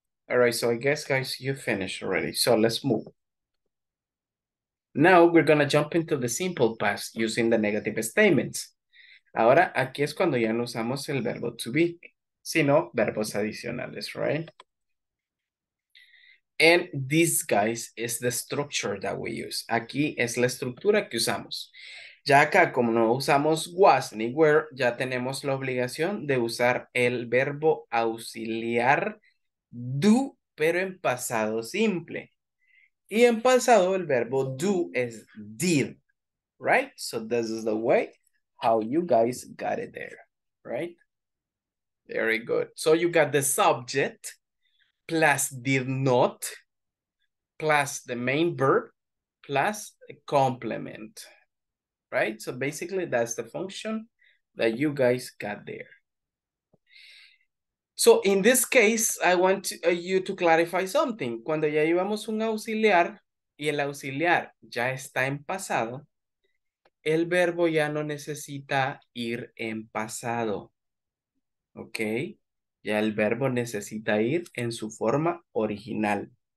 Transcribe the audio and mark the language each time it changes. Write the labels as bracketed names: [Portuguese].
[English] All right, so I guess, guys, you finished already. So let's move. Now we're going to jump into the simple past using the negative statements. [Spanish] Ahora, aquí es cuando ya no usamos el verbo to be, sino verbos adicionales, right? [English] And this, guys, is the structure that we use. [Spanish] Aquí es la estructura que usamos. Ya acá, como no usamos was ni were, ya tenemos la obligación de usar el verbo auxiliar do, pero en pasado simple. Y en pasado, el verbo do es did, right? [English] So this is the way how you guys got it there, right? Very good. So you got the subject plus did not, plus the main verb, plus a complement, right? So basically, that's the function that you guys got there. So in this case, I want to, you to clarify something. [Spanish] Cuando ya llevamos un auxiliar y el auxiliar ya está en pasado, el verbo ya no necesita ir en pasado, okay? Ya el verbo necesita ir en su forma original.